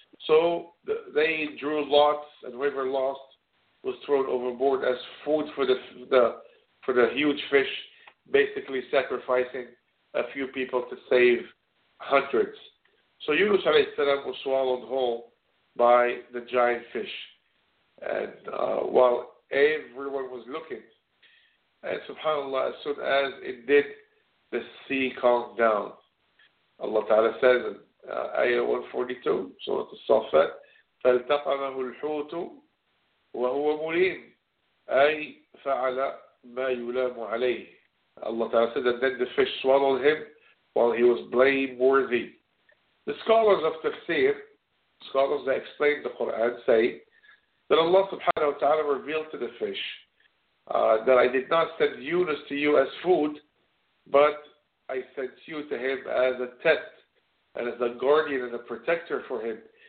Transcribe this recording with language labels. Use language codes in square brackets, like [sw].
[en] So they drew lots, and whoever lost was thrown overboard as food for the huge fish, basically sacrificing a few people to save hundreds. So Yunus alayhi salam was swallowed whole by the giant fish, and while everyone was looking, and subhanAllah, as soon as it did, the sea calmed down. Allah Ta'ala says in Ayah 142, Surah As-Saffat, [ar] فَالْتَقَمَهُ الْحُوتُ وَهُوَ مُلِيمٌ أَيْ فَعَلَ مَا يُلَامُ عَلَيْهِ. [en] Allah Ta'ala said that then the fish swallowed him while he was blameworthy. The scholars of tafsir, scholars that explain the Quran, say that Allah subhanahu wa ta'ala revealed to the fish that I did not send Yunus to you as food, but I sent you to him as a test and as a guardian and a protector for him.